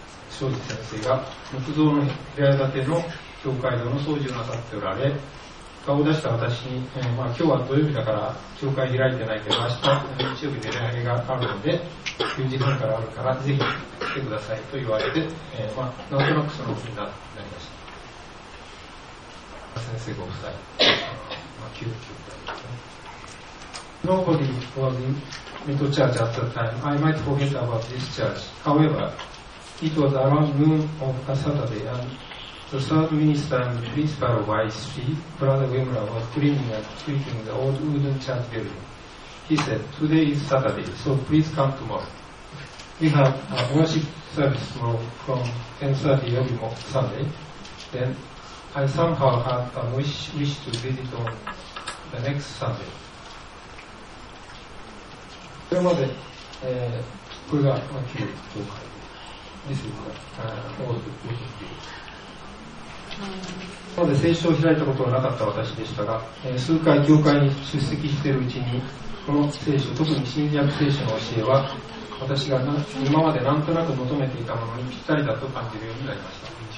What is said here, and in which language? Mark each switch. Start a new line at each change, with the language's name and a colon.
Japanese: 庄司先生が木造の部屋建ての教会堂の掃除をなさっておられ、顔を出した私に、まあ、今日は土曜日だから教会開いてないけど、明日日曜日で礼拝があるので9時半からあるからぜひ来てくださいと言われて、まあ、なんとなくその気になりました。先生ご夫妻、まあ、急遽だったね。
English: Nobody was in Mito Church at that time. I might forget about this church. However, it was around noon of a Saturday andThe third minister and principal of ICC, Brother Wemura, was cleaning and sweeping the old wooden church building. He said, "Today is Saturday, so please come tomorrow. We have a worship service tomorrow from 10:30 every Sunday." Then I somehow had a wish to visit on the next Sunday.
Japanese: これまで、これが旧教会です。まで聖書を開いたことはなかった私でしたが、数回教会に出席しているうちに、この聖書、特に新約聖書の教えは、私が今までなんとなく求めていたものにぴったりだと感じるようになりました。